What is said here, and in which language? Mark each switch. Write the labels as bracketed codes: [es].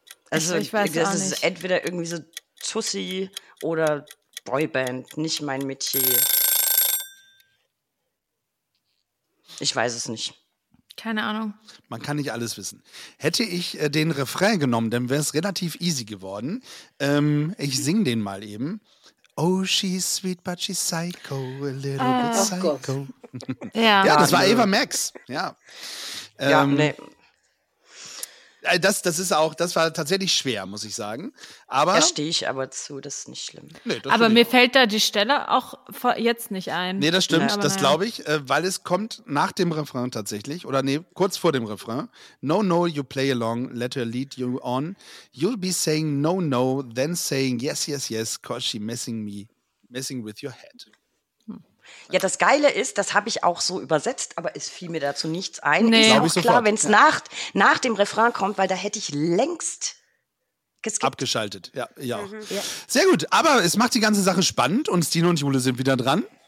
[de] also ich weiß das auch nicht. Das ist entweder irgendwie so Tussi oder Boyband. Nicht mein Metier. Ich weiß es nicht. Keine Ahnung. Man kann nicht alles wissen. Hätte ich den Refrain genommen, dann wäre es relativ easy geworden. Ich singe den mal eben. [en] Oh, she's sweet, but she's psycho, a little bit psycho. [de] Oh Gott. Ja, das war Eva Max. Ja. Ja, nee. Das war tatsächlich schwer, muss ich sagen. Aber, da stehe ich aber zu, das ist nicht schlimm. Nee, aber mir fällt da die Stelle auch jetzt nicht ein. Nee, das stimmt, das glaube ich, weil es kommt nach dem Refrain tatsächlich, oder nee, kurz vor dem Refrain. [en] No, no, you play along, let her lead you on. You'll be saying no, no, then saying yes, yes, yes, cause she messing with your head. [de] Ja, das Geile ist, das habe ich auch so übersetzt, aber es fiel mir dazu nichts ein. Nee. Ist auch klar, wenn es nach dem Refrain kommt, weil da hätte ich längst geskippt. Abgeschaltet, ja, ich auch. Mhm. Ja. Sehr gut, aber es macht die ganze Sache spannend und Stine und Jule sind wieder dran.